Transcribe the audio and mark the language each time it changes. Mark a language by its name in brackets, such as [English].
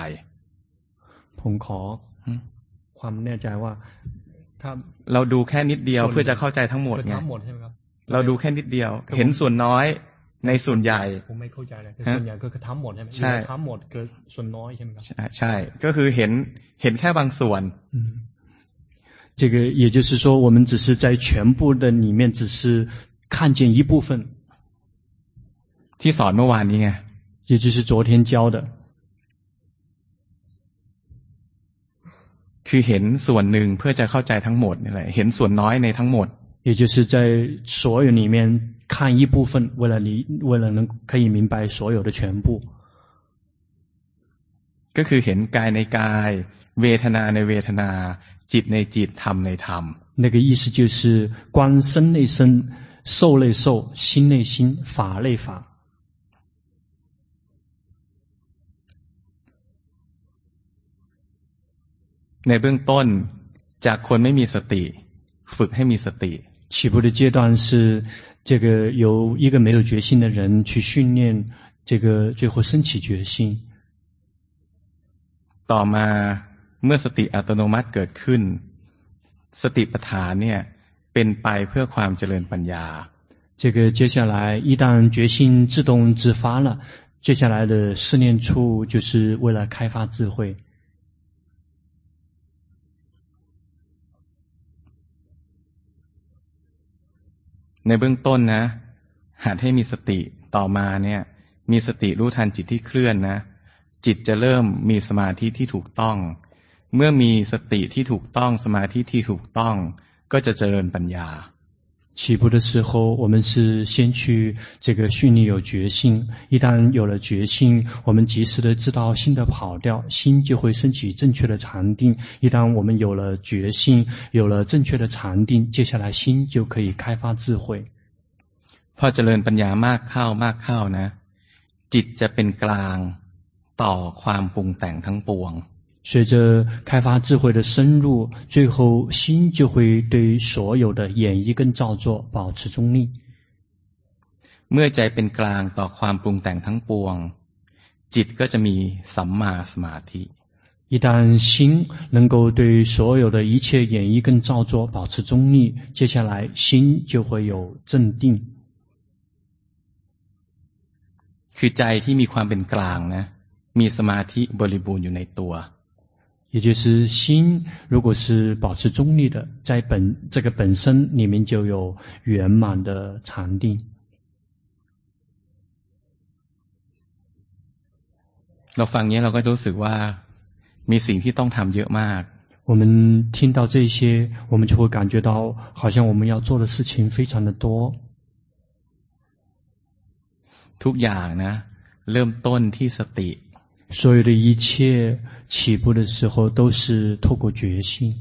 [Thai] ผมขอความแน่ใจว่า เราดูแค่นิดเดียวเพื่อจะเข้าใจทั้งหมดไง ทั้งหมดใช่ไหมครับ เราดูแค่นิดเดียวเห็นส่วนน้อยในส่วนใหญ่ ผมไม่เข้าใจเลยส่วนใหญ่ก็คือทั้งหมดใช่ ไหม ใช่ ทั้งหมดคือส่วนน้อยใช่ไหมครับใช่ก็คือเห็นแค่บางส่วน [Chinese] 这个也就是说我们只是在全部的里面只是看见一部分 [Thai] ที่สอนเมื่อวานนี้ไง [Chinese] 也就是昨天教的 [Thai] คือเห็นส่วนหนึ่งเพื่อจะเข้าใจทั้งหมดนี่แหละเห็นส่วนน้อยในทั้งหมด [Chinese] 也就是在所有里面看一部分为了能可以明白所有的全部 [Thai] ก็คือเห็นกายในกายเวทนาในเวทนาจิตในจิตธรรมในธรรม [Chinese] 那个意思就是观身内身受内受心内心法内法 [Thai] ในเบื้องต้นจากคนไม่มีสติฝึกให้มีสติ [Chinese] 起步的阶段是这个由一个没有决心的人去训练这个最后升起决心 [Thai] ต่อมาเมื่อสติอัตโนมัติเกิดขึ้นสติปัฏฐานเนี่ยเป็นไปเพื่อความเจริญปัญญา [Chinese] 这个接下来一旦决心自动自发了接下来的四念处就是为了开发智慧 [Thai] ในเบื้องต้นนะหัดให้มีสติต่อมาเนี่ยมีสติรู้ทันจิตที่เคลื่อนนะจิตจะเริ่มมีสมาธิที่ถูกต้องเมื่อมีสติที่ถูกต้องสมาธิที่ถูกต้องก็จะเจริญปัญญา [Chinese] 起步的时候我们是先去这个训练有决心一旦有了决心我们及时的知道心的跑掉心就会升起正确的禅定一旦我们有了决心有了正确的禅定接下来心就可以开发智慧 [Thai] พอเจริญปัญญามากเข้ามากเข้านะจิตจะเป็นกลางต่อความปรุงแต่งทั้งปวง [Chinese] 随着开发智慧的深入最后心就会对所有的演绎跟造作保持中立 [Thai] เมื่อใจเป็นกลางต่อความปรุงแต่งทั้งปวงจิตก็จะมีสัมมาสมาธิ [Chinese] 一旦心能够对所有的一切演绎跟造作保持中立接下来心就会有镇定 [Thai] คือใจที่มีความเป็นกลางนะมีสมาธิบริบูรณ์อยู่ในตัว [Chinese] 也就是心如果是保持中立的在本这个本身里面就有圆满的禅定 [Thai] เราฟังนี้เราก็รู้สึกว่ามีสิ่งที่ต้องทำเยอะมาก [Chinese] 我们听到这些我们就会感觉到好像我们要做的事情非常的多 [Thai] ทุกอย่างนะเริ่มต้นที่สติ [Chinese] 所有的一切起步的时候都是透过决心